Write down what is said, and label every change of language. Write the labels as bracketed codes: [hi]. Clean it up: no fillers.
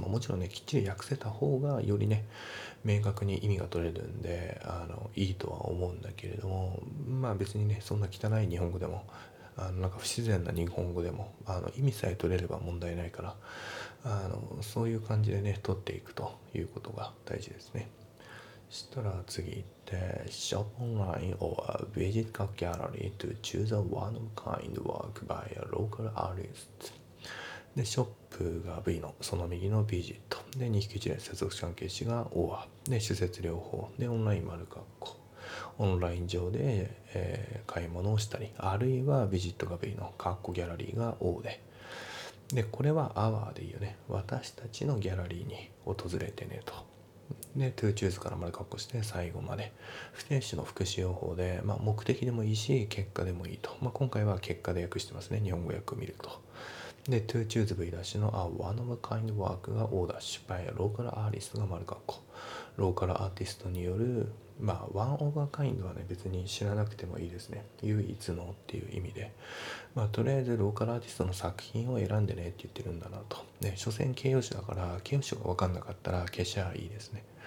[ja] まあ、もちろんねきっちり訳せた方がよりね明確に意味が取れるんで、いいとは思うんだけれども、まあ別にねそんな汚い日本語でも、なんか不自然な日本語でも、意味さえ取れれば問題ないから、そういう感じでね取っていくということが大事ですね。 [en] そしたら次行って、shop online or visit a gallery to choose a one of kind work by a local artist。 [ja] で、shop が V のその右の visit。で、2引き1で接続関係詞が or。で、施設療法。で、オンライン丸括弧。オンライン上で、買い物をしたり、あるいは visit が V の括弧ギャラリーが O で。で、これは our でいいよね。私たちのギャラリーに訪れてねと。で、 to choose からまで括弧して最後まで。不定詞の副詞用法で、まあ、目的でもいいし、結果でもいいと。まあ、今回は結果で訳してますね。日本語訳を見ると。で、 to choose V ダッシュの a one of kind work が O ダッシュ。 by a local artist が丸括弧。ローカルアーティストによる、まあ、 one of a kind はね、別に知らなくてもいいですね。唯一のっていう意味で。まあ、とりあえずローカルアーティストの作品を選んでねって言ってるんだなと。で、所詮形容詞だから、形容詞が分かんなかったら消しちゃいいですね。